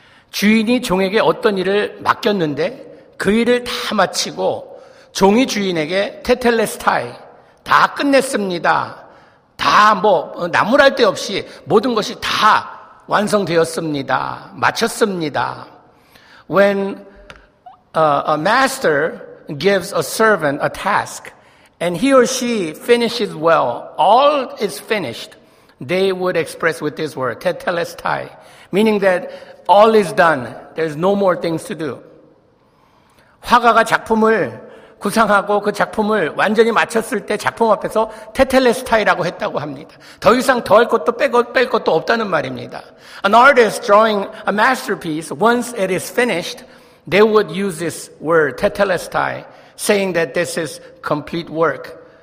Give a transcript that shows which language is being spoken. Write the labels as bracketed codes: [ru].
[ko] 주인이 종에게 어떤 일을 맡겼는데 그 일을 다 마치고 종이 주인에게 테텔레스타이, 다 끝냈습니다. 다 뭐 나무랄 데 없이 모든 것이 다 완성되었습니다. 마쳤습니다. [en] When a master gives a servant a task, and he or she finishes well, all is finished, they would express with this word, tetelestai, meaning that all is done, there's no more things to do. [ko] 화가가 작품을 구상하고 그 작품을 완전히 마쳤을 때 작품 앞에서 tetelestai라고 했다고 합니다. 더 이상 더할 것도 뺄 것도 없다는 말입니다. [en] An artist drawing a masterpiece, once it is finished, they would use this word, tetelestai, saying that this is complete work.